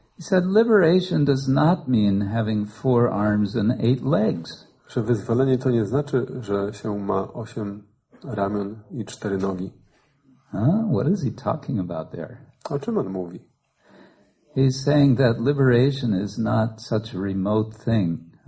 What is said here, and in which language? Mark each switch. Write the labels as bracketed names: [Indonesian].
[English] He said liberation does not mean having four arms and eight legs. [Polish] Że wyzwolenie to nie znaczy, że się ma osiem ramion i cztery nogi. [English] What is he talking about there? [Polish] O czym on mówi? [English] He's saying that liberation is not such a remote thing.